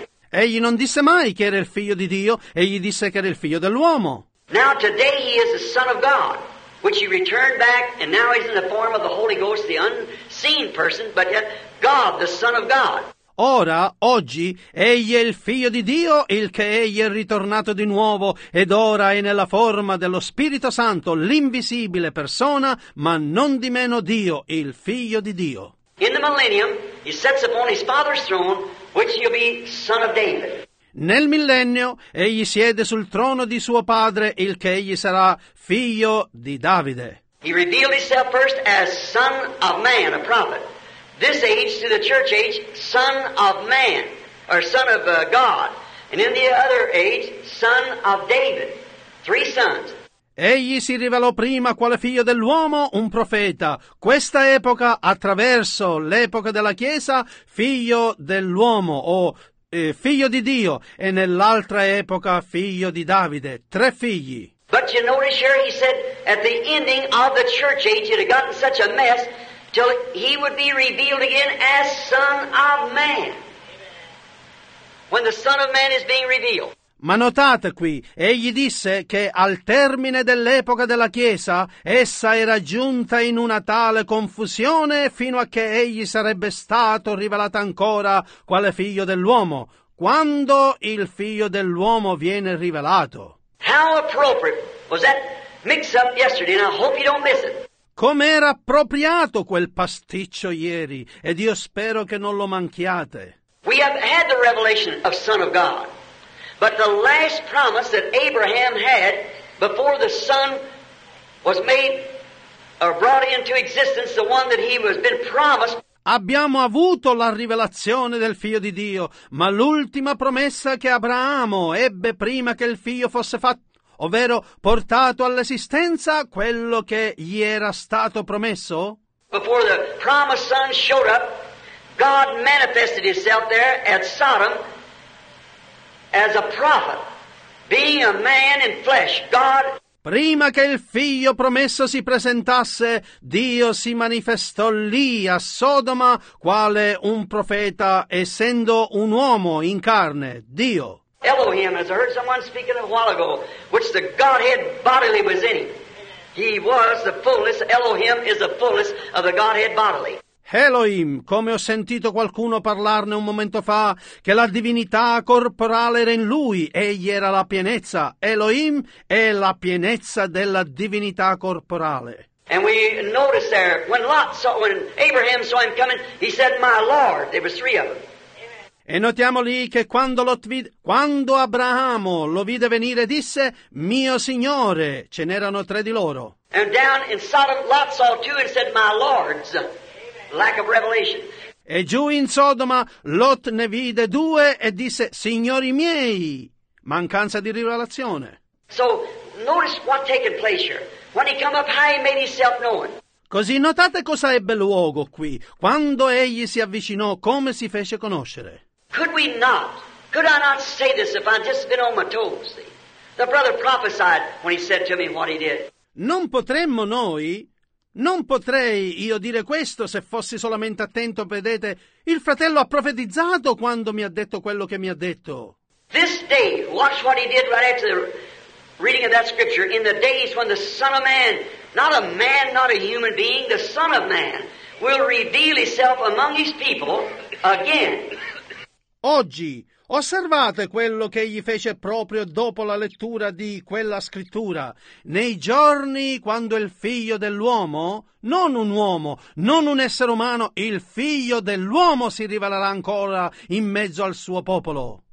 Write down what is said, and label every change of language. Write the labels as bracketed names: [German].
[Italian] Egli non disse mai che era il Figlio di Dio, egli disse che era il Figlio dell'uomo. [English] Now today he is the Son of God, which he returned back, and now he's in the form of the Holy Ghost, the unseen person, but yet God, the Son of God. [Italian] Ora, oggi, egli è il Figlio di Dio, il che egli è ritornato di nuovo, ed ora è nella forma dello Spirito Santo, l'invisibile persona, ma non di meno Dio, il Figlio di Dio. [English] In the millennium, he sets upon his father's throne, which he'll be son of David. [Italian] Nel millennio, egli siede sul trono di suo padre, il che egli sarà figlio di Davide. [English] He revealed himself first as son of man, a prophet. This age to the church age, son of man, or son of God. And in the other age, son of David. Three sons. [Italian] Egli si rivelò prima quale figlio dell'uomo, un profeta. Questa epoca, attraverso l'epoca della Chiesa, figlio dell'uomo, o figlio di Dio. E nell'altra epoca, figlio di Davide. Tre figli. [English] But you notice here he said, at the ending of the church age, it had gotten such a mess, till he would be revealed again as Son of Man. When the Son of Man is being revealed. [Italian] Ma notate qui, egli disse che al termine dell'epoca della Chiesa, essa era giunta in una tale confusione fino a che egli sarebbe stato rivelato ancora quale Figlio dell'uomo. Quando il Figlio dell'uomo viene rivelato? [English] How appropriate was that mix up yesterday, and I hope you don't miss it. [Italian] Com'era appropriato quel pasticcio ieri, ed io spero che non lo manchiate. [English] We have had the revelation of Son of God, but the last promise that Abraham had before the Son was made or brought into existence, the one that he was been promised. [Italian] Abbiamo avuto la rivelazione del Figlio di Dio, ma l'ultima promessa che Abramo ebbe prima che il Figlio fosse fatto, ovvero portato all'esistenza, quello che gli era stato promesso? [English] Before the promised Son showed up, God manifested himself there at Sodom as a prophet, being a man in flesh, God. [Italian] Prima che il Figlio promesso si presentasse, Dio si manifestò lì a Sodoma quale un profeta, essendo un uomo in carne, Dio. [English] Elohim, as I heard someone speaking a while ago, which the Godhead bodily was in him. He was the fullness. Elohim is the fullness of the Godhead bodily. [Italian] Elohim, come ho sentito qualcuno parlarne un momento fa, che la divinità corporale era in lui, egli era la pienezza. Elohim è la pienezza della divinità corporale. [English] And we notice there, when Abraham saw him coming, he said, my Lord, there were three of them. [Italian] E notiamo lì che quando Abramo lo vide venire, disse, mio Signore, ce n'erano tre di loro. [English] And down in Sodom, Lot saw two and said, my Lord's. Lack of revelation. [Italian] E giù in Sodoma, Lot ne vide due e disse, signori miei, mancanza di rivelazione. [English] So, notice what taken place here. When he come up high, he made himself known. [Italian] Così notate cosa ebbe luogo qui, quando egli si avvicinò, come si fece conoscere. [English] Could we not? Could I not say this if I'd just been on my toes? See? The brother prophesied when he said to me what he did. [Italian] Non potremmo noi? Non potrei io dire questo se fossi solamente attento, vedete? Il fratello ha profetizzato quando mi ha detto quello che mi ha detto. [English] This day, watch what he did right after the reading of that scripture, in the days when the Son of Man, not a man, not a human being, the Son of Man will reveal himself among his people again. [Italian] Oggi, Osservate quello che egli fece proprio dopo la lettura di quella scrittura. Nei giorni quando il figlio dell'uomo, non un uomo, non un essere umano, il figlio dell'uomo si rivelerà ancora in mezzo al suo popolo.